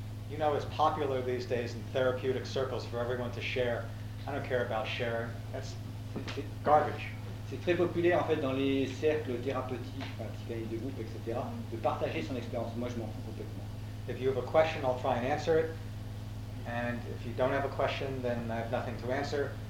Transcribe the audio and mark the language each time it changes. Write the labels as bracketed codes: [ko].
[en] You know, it's popular these days in therapeutic circles for everyone to share. I don't care about sharing. That's [fr] c'est [en] garbage. [fr] C'est très populaire en fait dans les cercles thérapeutiques, psychanalyse de groupe, etc. De partager son expérience. Moi, je m'en fous complètement. [en] If you have a question, I'll try and answer it. And if you don't have a question, then I have nothing to answer.